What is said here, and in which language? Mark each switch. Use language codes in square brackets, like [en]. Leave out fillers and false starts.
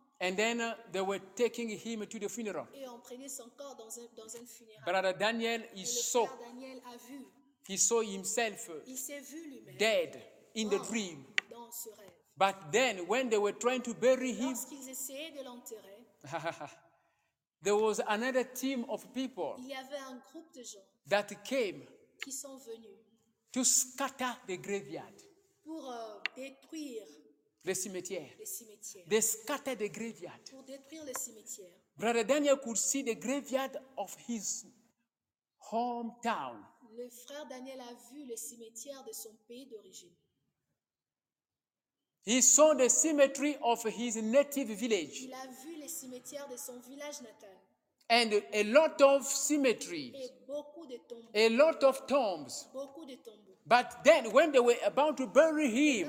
[en] And then they were taking him to the funeral. [fr] Et on prenait son corps dans un funérail. [en] Brother Daniel, he saw. [fr] Le frère Daniel a vu. [en] He saw himself. [fr] Il s'est vu lui-même. [en] Dead in the dream. [fr] Dans ce rêve. [en] But then, when they were trying to bury him, [fr] lorsqu'ils essayaient de l'enterrer, [en] there was another team of people. [fr] Il y avait un groupe de gens. [en] That came. [fr] Qui sont venus. [en] To scatter the graveyard. [fr] Pour détruire. [en] The cimetière. [fr] Le cimetière. [en] They scattered the graveyard. [fr] Pour détruire le cimetière. [en] Brother Daniel could see the graveyard of his hometown. [fr] Le frère Daniel a vu le cimetière de son pays d'origine. [en] He saw the cemetery of his native village. [fr] Il a vu le cimetière de son village natal. [en] And a lot of cemeteries. [fr] Et beaucoup de tombes. [en] A lot of tombs. [fr] Beaucoup de tombes. [en] But then, when they were about to bury him,